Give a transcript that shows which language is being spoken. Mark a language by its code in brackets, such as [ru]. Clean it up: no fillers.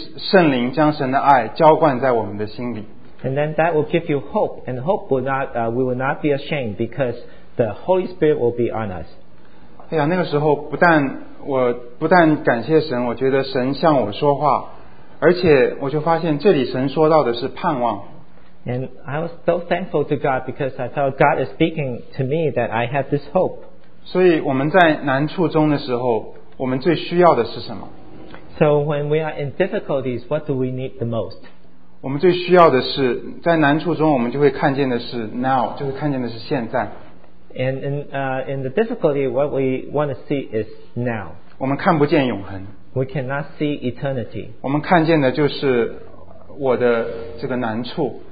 [zh] 盼望不至于羞愧，因为圣灵将神的爱浇灌在我们的心里。 [en] And then that will give you hope, and hope will not we will not be ashamed because the Holy Spirit will be on us. [zh] 哎呀，那个时候不但感谢神，我觉得神向我说话。而且我就发现这里神说到的是盼望。 [en] And I was so thankful to God because I felt God is speaking to me that I have this hope. [zh] 所以我们在难处中的时候，我们最需要的是什么？ [en] So when we are in difficulties, what do we need the most? [zh] 我们最需要的是在难处中我们就会看见的是 now, 就会看见的是现在。 [en] And in the difficulty, what we want to see is now. [zh] 我们看不见永恒。 [en] We cannot see eternity. [zh] 我们看见的就是我的这个难处。